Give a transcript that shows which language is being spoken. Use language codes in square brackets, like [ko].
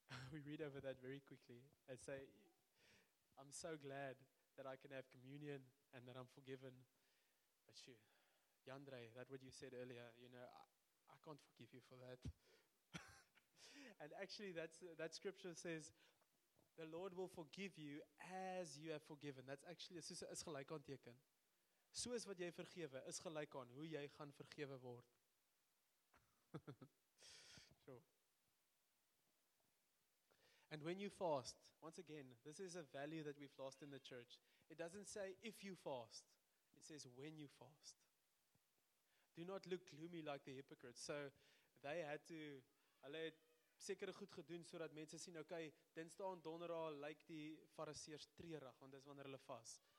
[en] We read over that very quickly and say, I'm so glad that I can have communion and that I'm forgiven. But you, Yandre, that what you said earlier, you know, I can't forgive you for that. And actually, that scripture says, the Lord will forgive you as you have forgiven. That's actually, [af] is gelyk aan teken. Soos wat jy vergewe, is gelyk aan hoe jy gaan vergewe word. [en] Sure. And when you fast, once again, this is a value that we've lost in the church. It doesn't say if you fast. It says when you fast. Do not look gloomy like the hypocrites. So they had to, [af] hulle het sekere goed gedoen sodat mense sien, okay, Dinsdag en Donderdag lyk die fariseers treurig, want dis wanneer hulle vas.